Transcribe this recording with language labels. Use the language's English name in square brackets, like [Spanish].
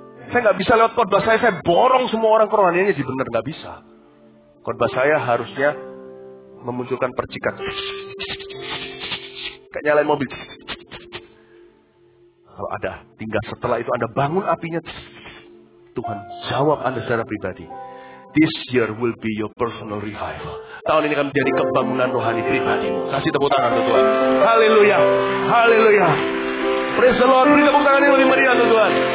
[Indonesian] Saya gak bisa lewat khotbah saya borong semua orang ke rohaninya. Jadi benar gak bisa. Khotbah saya harusnya memunculkan percikan. Kayak nyalain mobil. Kalau ada, tinggal setelah itu Anda bangun apinya. Tuhan jawab Anda secara pribadi. [English] This year will be your personal revival. [Indonesian] Tahun ini akan menjadi kebangunan rohani pribadi. Kasih tepuk tangan untuk Tuhan. Haleluya. Haleluya. [English] Praise the Lord. [Indonesian] Beri tepuk tangan yang lebih meriah untuk Tuhan.